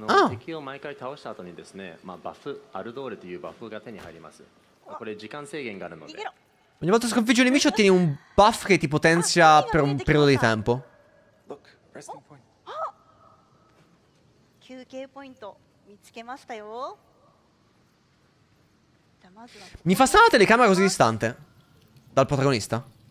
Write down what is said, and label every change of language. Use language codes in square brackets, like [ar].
[ja] 敵を毎回倒した後にですね、まあバフ、アルドールというバフが手に入ります。これ時間制限があるので。 [it] Ogni volta sconfigge un nemico ottieni un buff che ti potenzia per un periodo di tempo. [en] Look, resting point. [ja] 休憩ポイント見つけましたよ。 [it] Mi fa strana la telecamera così distante dal protagonista?